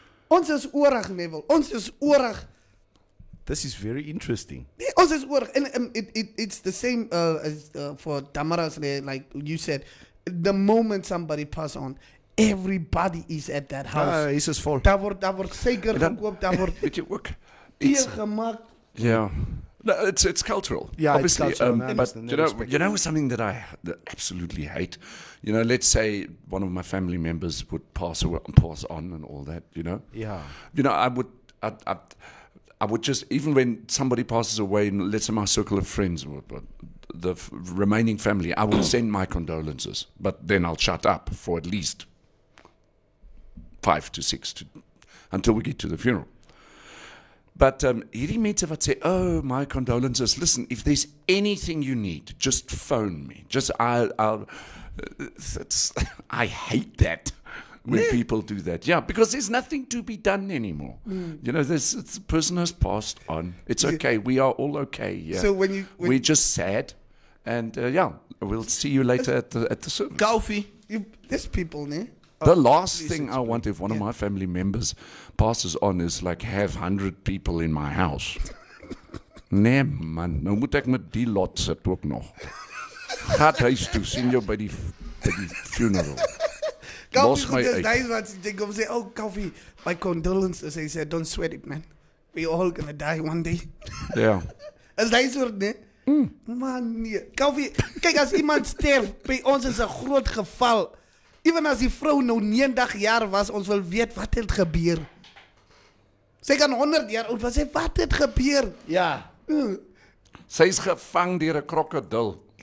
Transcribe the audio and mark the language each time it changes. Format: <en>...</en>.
<af>Ons is oorig, Neville. Ons is oorig.</af> <en>This is very interesting.</en> <af>Nee, ons is oorig.</af> <en>And it's the same for Tamara's, like you said, the moment somebody pass on, everybody is at that house. He's just full.</en> <af>Daar word seker gekoop, daar word</af> <en>teegemaak. Yeah, no, it's cultural. Yeah, obviously, it's cultural. But you know something that I absolutely hate. You know, let's say one of my family members would pass on and all that. You know. Yeah. You know, I would just, even when somebody passes away, let's say my circle of friends, the remaining family, I would send my condolences. But then I'll shut up for at least 5 to 6 to until we get to the funeral. But</en> <af>hierdie mense wat sê,</af> <en>oh, my condolences. Listen, if there's anything you need, just phone me. Just I hate that when people do that. Yeah, because there's nothing to be done anymore. You know, the person has passed on. It's okay. We are all okay. Yeah. So we're just sad. And we'll see you later at the service. Kaufi, there's people, ne? The last thing I want if one of my family members passes on is like have 100 people in my house.</en> <af>Nee, man. Nou moet ek met die lot sit ook nog. Gaat huis toe, sien jou by die funeral. Los my eet. Kaufi, just die wat jy kom sê, oh, Kaufi,</af> <en>my condolences. He said, don't sweat it, man. We all gonna die one day. Yeah.</en> <af>As die soort, nee? Man, nee. Kaufi, kijk, as iemand sterf, by ons is 'n groot geval. Even as die vrou nou 90 jaar was, ons wil weet wat het gebeur. Sy kan 100 jaar oud was, sy, wat het gebeur? Ja. Sy is gevang deur 'n krokodil.</af>